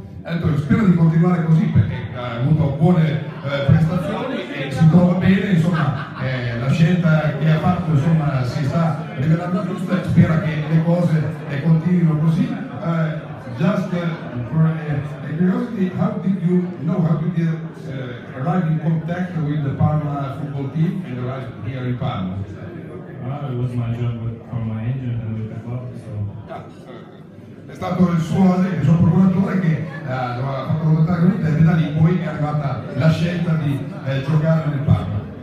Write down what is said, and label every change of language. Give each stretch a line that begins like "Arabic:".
Italian: Ecco, spero di continuare così perché ha avuto buone prestazioni e si trova bene, insomma, la scelta che ha fatto, insomma, si sta rivelando giusta e spera che le cose continuino così.
English: Just for a curiosity, how did you know, how did you arrive in contact with the Parma football team and arrive here in Parma? It was my job from my agent and with the club, so...
Italian: È stato il suo procuratore che lo ha fatto contattare con te, e da lì poi è arrivata la scelta di giocare nel Parma.